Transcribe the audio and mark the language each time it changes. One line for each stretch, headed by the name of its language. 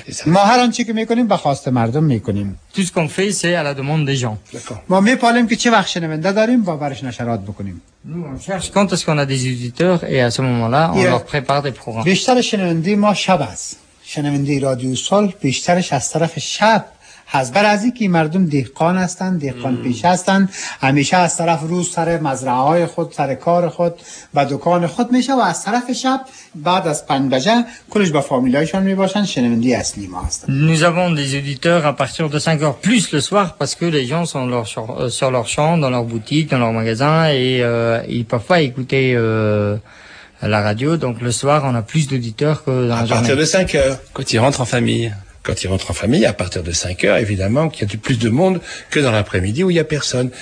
French: Tout ce qu'on fait, c'est à la demande des gens. D'accord. Nous, on cherche quand est-ce qu'on a des auditeurs et à ce moment-là, on leur prépare des programmes.
Persian: از برازی که مردم دهقان هستند دهقان پیش هستند همیشه از طرف روز سر مزرعه های خود سر کار خود و دکان خود میشه و از طرف شب بعد از 5 بجه کلش با فامیلایشان میباشند شنوندی اصلی ما هستند
French: Nous avons des auditeurs à partir de 5 heures plus le soir parce que les gens sont sur leur champ dans leur boutique dans leur magasin et ils peuvent pas écouter la radio donc le soir on a plus d'auditeurs que dans la journée à partir de 5 heures quand ils rentrent en famille Quand ils rentrent en famille, à partir de 5 heures, évidemment, qu'il y a plus de monde que dans l'après-midi où il n'y a personne.